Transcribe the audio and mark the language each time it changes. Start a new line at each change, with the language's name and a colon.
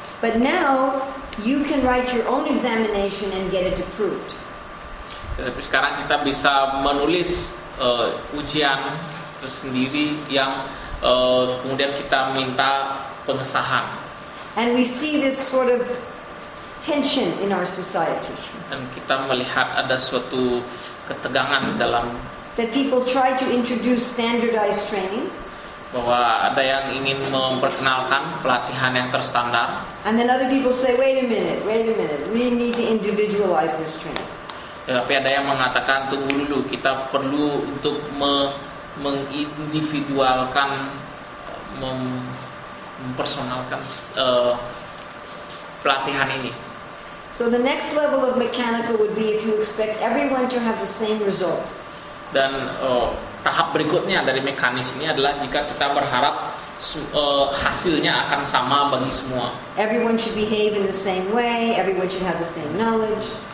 English: But now you can write your own examination and get it approved.
Indonesian: Tapi sekarang kita bisa menulis ujian tersendiri yang kemudian kita minta pengesahan.
English: And we see this sort of tension in our society.
Indonesian: Dan kita melihat ada suatu ketegangan dalam.
English: That people try to introduce standardized training.
Indonesian: Bahwa ada yang ingin memperkenalkan pelatihan yang terstandar.
English: And then other people say, wait a minute, we need to individualize this training.
Indonesian: Tapi ada yang mengatakan, tunggu dulu, kita perlu untuk mengindividualkan, mempersonalkan pelatihan ini.
English: So the next level of mechanical would be if you expect everyone to have the same result.
Indonesian: Dan tahap berikutnya dari mekanis ini adalah jika kita berharap hasilnya akan sama bagi semua.
English: Everyone should behave in the same way. Everyone should have the same knowledge.